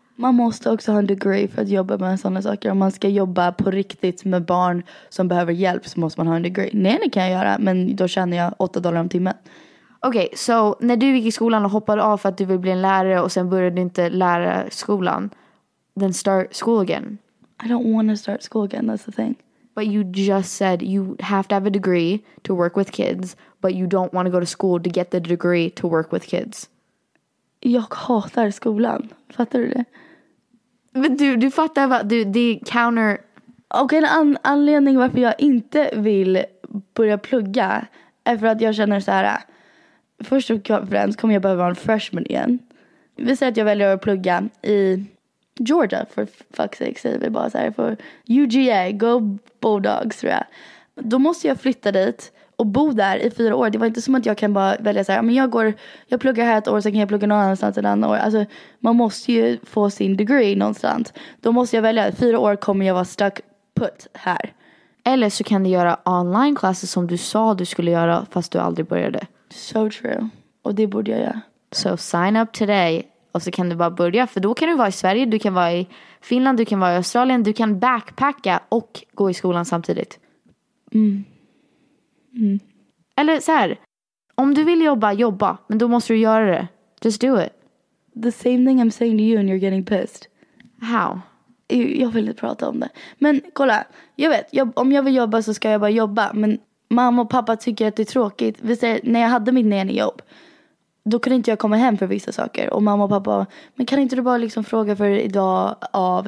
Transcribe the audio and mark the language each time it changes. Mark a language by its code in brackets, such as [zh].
[sv] Man måste också ha en degree för att jobba med sådana saker. Om man ska jobba på riktigt med barn som behöver hjälp så måste man ha en degree. Nej, det kan jag göra, men då tjänar jag $8 om timmen. Okej, så när du gick i skolan och hoppade av för att du ville bli en lärare och sen började du inte lära skolan, [en] then start school again. I don't want to start school again, that's the thing. But you just said you have to have a degree to work with kids, but you don't want to go to school to get the degree to work with kids. [sv] Jag hatar skolan. Fattar du det? Men du fattar vad du, det är counter. Och en anledning varför jag inte vill börja plugga är för att jag känner så här. Först och främst kommer jag behöva vara en freshman igen. Vi säger att jag väljer att plugga i Georgia. För fuck's sake, säger vi bara så här. För UGA, go Bulldogs tror jag. Då måste jag flytta dit. Och bo där i 4 år. Det var inte som att jag kan bara välja så här. Men jag pluggar här ett år. Sen kan jag plugga någon annanstans ett annat år. Alltså man måste ju få sin degree någonstans. Då måste jag välja. 4 år kommer jag vara stuck put här. Eller så kan du göra online classes som du sa du skulle göra. Fast du aldrig började. [en] So true. [sv] Och det borde jag göra. [en] So sign up today. [sv] Och så kan du bara börja. För då kan du vara i Sverige. Du kan vara i Finland. Du kan vara i Australien. Du kan backpacka och gå i skolan samtidigt. Mm. Mm. Eller så här, om du vill jobba, jobba. Men då måste du göra det. [en] Just do it. The same thing I'm saying to you and you're getting pissed. How? [sv] Jag vill inte prata om det. Men kolla, jag vet, om jag vill jobba så ska jag bara jobba. Men mamma och pappa tycker att det är tråkigt. Vi säger, när jag hade mitt nene jobb, då kunde inte jag komma hem för vissa saker. Och mamma och pappa, men kan inte du bara liksom fråga för idag av?